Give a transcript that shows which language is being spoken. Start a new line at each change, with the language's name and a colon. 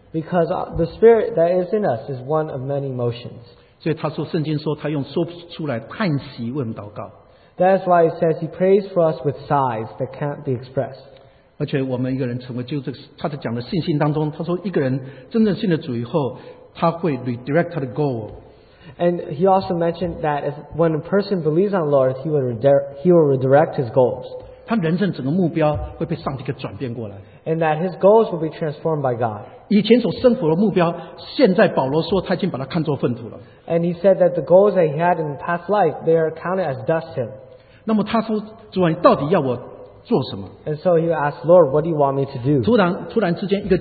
English: Because the spirit that is in us is one of many emotions.
Chinese: 所以他说圣经说他用说不出来叹息为我们祷告。
English: That is why it says he prays for us with sighs that can't be expressed.
Chinese: 而且我们一个人成为就这个他讲的信心当中，他说一个人真正信了主以后，他会 redirect 他的 goal。
English: And he also mentioned that if when a person believes on the Lord, he will redirect his goals.
Chinese: 他人生整个目标会被上帝给转变过来。
English: And that his goals will be transformed by God.
Chinese: 以前所生活的目标，现在保罗说他已经把它看作粪土了。
English: And he said that the goals that he had in past life, they are counted as dust to him.
Chinese: 那么他说，主啊，你到底要我做什么？
English: And so he asked, Lord, what do you want me to do?